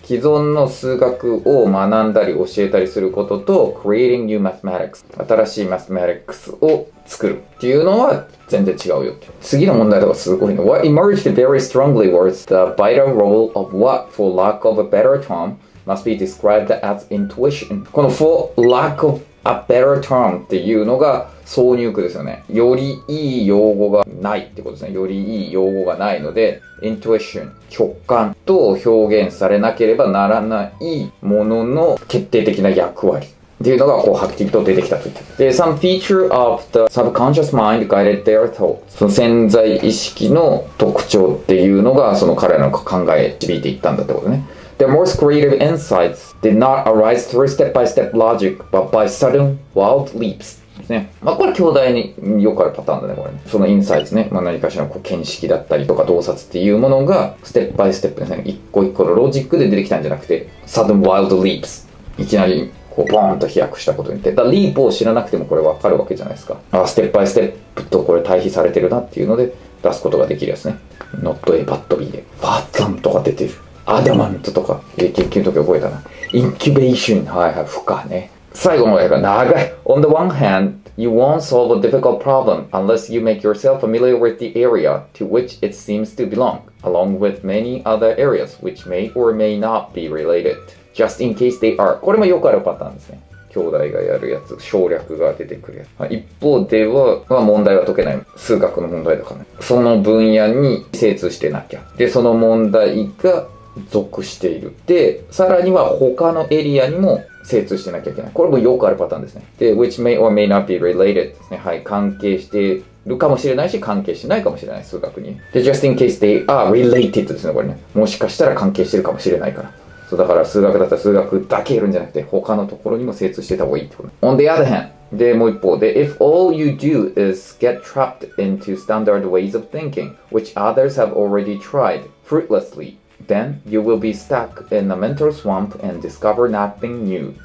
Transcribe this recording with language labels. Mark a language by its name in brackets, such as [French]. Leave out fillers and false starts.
[Japanese] 既存の数学を学んだり教えたりすることと、 [English] Creating new mathematics. [Japanese] 新しい mathematics を作るっていうのは全然違うよって。次の問題とかすごいの。 [English] What emerged very strongly was the vital role of what, for lack of a better term,must be described as intuition. [Japanese] この [English] for lack of a better term [Japanese] っていうのが挿入句ですよね。よりいい用語がないってことですね。よりいい用語がないので intuition 直感と表現されなければならないものの決定的な役割っていうのがこうはっきりと出てきたと言って [English] で some feature of the subconscious mind guided their thoughts [Japanese] その潜在意識の特徴っていうのがその彼らの考え導いていったんだってことね。 [English] The most creative insights did not arise through step-by-step logic, but by sudden wild leaps. [Japanese] ね。まあ、これ、兄弟によくあるパターンだね、これ、ね。その insights ね。まあ、何かしらのこう見識だったりとか洞察っていうものが、step-by-step ですね。一個一個のロジックで出てきたんじゃなくて、 [English] sudden wild leaps。 [Japanese] いきなり、こう、ボーンと飛躍したことによって。だから、リープを知らなくてもこれわかるわけじゃないですか。あ、step-by-step とこれ対比されてるなっていうので、出すことができるやつね。 not a bad b で。バッタンとか出てる。アダマントとか、研究の時覚えたな。インキュベーション。はいはい、負荷ね。最後の絵が長い。 [English] On the one hand, you won't solve a difficult problem unless you make yourself familiar with the area to which it seems to belong, along with many other areas which may or may not be related, just in case they are. [Japanese] これもよくあるパターンですね。兄弟がやるやつ、省略が出てくるやつ。一方では、まあ、問題は解けない。数学の問題とかね。その分野に精通してなきゃ。で、その問題が、属している。で、さらには他のエリアにも精通してなきゃいけない。これもよくあるパターンですね。で、 [English] which may or may not be related [Japanese] ですね。はい。関係しているかもしれないし、関係してないかもしれない。数学に。で、 [English] just in case they are related [Japanese] ですね。これね。もしかしたら関係してるかもしれないから。そう、だから数学だったら数学だけやるんじゃなくて、他のところにも精通してた方がいいってこと。 [English] On the other hand, [Japanese] で、もう一方で、 [English] if all you do is get trapped into standard ways of thinking, which others have already tried fruitlessly,Then you will be stuck in a mental swamp and discover nothing new.